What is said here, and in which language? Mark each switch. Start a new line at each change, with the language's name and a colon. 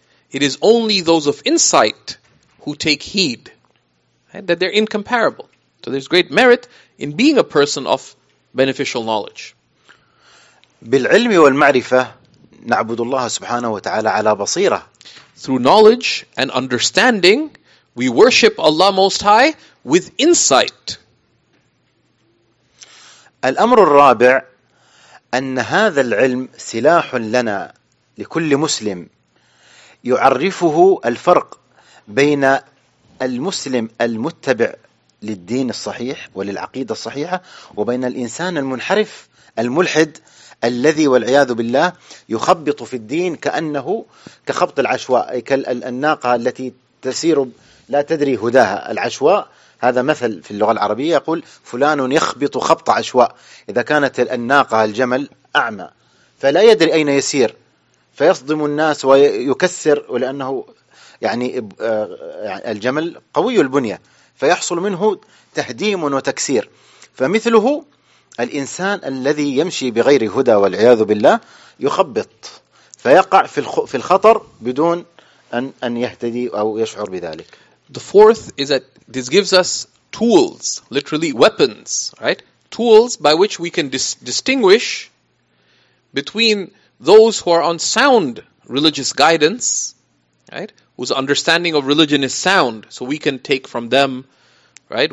English: It is only those of insight who take heed, right, that they're incomparable. So there's great merit in being a person of beneficial knowledge.
Arabic: بالعلم والمعرفة نعبد الله سبحانه وتعالى على بصيرة.
English: Through knowledge and understanding, we worship Allah Most High with insight.
Arabic: الأمر الرابع أن هذا العلم سلاح لنا لكل مسلم، يعرفه الفرق بين المسلم المتبع للدين الصحيح وللعقيدة الصحيحة وبين الإنسان المنحرف الملحد الذي والعياذ بالله يخبط في الدين كأنه كخبط العشواء، أي كالناقة التي تسير لا تدري هداها العشواء. هذا مثل في اللغة العربية، يقول فلان يخبط خبط عشواء، إذا كانت الناقة الجمل أعمى فلا يدري أين يسير، فيصدم الناس ويكسر، ولأنه يعني الجمل قوي البنية فيحصل منه تهديم وتكسير. فمثله الإنسان الذي يمشي بغير هدى والعياذ بالله يخبط فيقع في الخطر بدون أن يهتدي أو يشعر بذلك.
English: The fourth is that this gives us tools, literally weapons, right? Tools by which we can distinguish between those who are on sound religious guidance, right? Whose understanding of religion is sound, so we can take from them, right?